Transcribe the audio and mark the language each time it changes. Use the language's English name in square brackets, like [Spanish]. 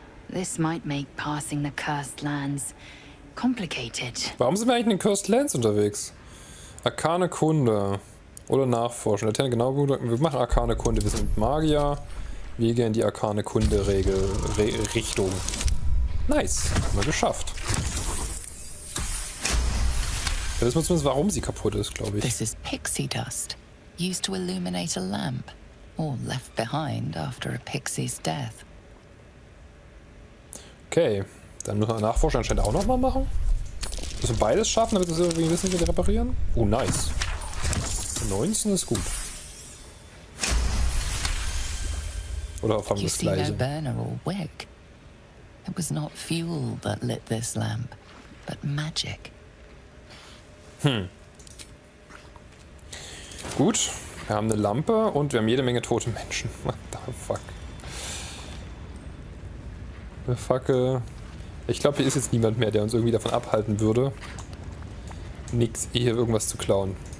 [English] This might make passing the cursed lands complicated. [German] Warum sind wir eigentlich in den Cursed Lands unterwegs? Arkane Kunde. Oder nachforschen. Laterne genau gut. Wir machen Arkane Kunde. Wir sind Magier. Wir gehen die Arkane Kunde Regel. Richtung. Nice. Haben wir geschafft. Ja, das muss man wissen, warum sie kaputt ist, glaube ich. [English] This is pixie dust. Used to illuminate a lamp. Or left behind after a pixie's death. Okay. [German] Dann müssen wir nachforschen anscheinend auch nochmal machen. Müssen wir beides schaffen, damit wir es irgendwie wissen, wie wir reparieren? Oh, nice. 19 ist gut. Oder auf einmal das Gleiche. [English] No burner or wick. It was not fuel that lit this lamp, but magic. Hm. [German] Gut. Wir haben eine Lampe und wir haben jede Menge tote Menschen. [English] What the fuck? The fuck. [German] Ich glaube, hier ist jetzt niemand mehr, der uns irgendwie davon abhalten würde, nix hier irgendwas zu klauen.